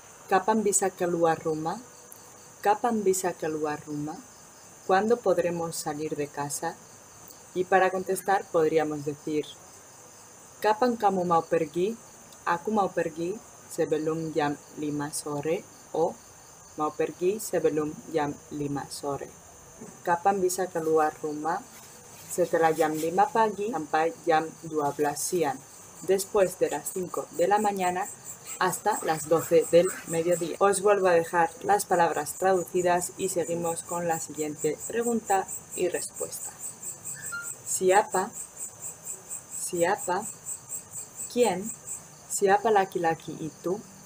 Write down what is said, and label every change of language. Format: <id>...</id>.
<id>Kapan bisa keluar rumah? Kapan bisa keluar rumah?</id> <es>¿Cuándo podremos salir de casa? Y para contestar podríamos decir</es> <id>kapan kamu mau pergi? Aku mau pergi sebelum jam 5 sore o mau pergi sebelum jam 5 sore. Kapan bisa keluar rumah? Setelah jam 5 pagi sampai jam 12 siang.</id> <es>Después de las 5 de la mañana hasta las 12 del mediodía. Os vuelvo a dejar las palabras traducidas y seguimos con la siguiente pregunta y respuesta.</es> <id>Siapa, siapa,</id> <es>¿quién?</es> <id>Siapa laki-laki itu,</id>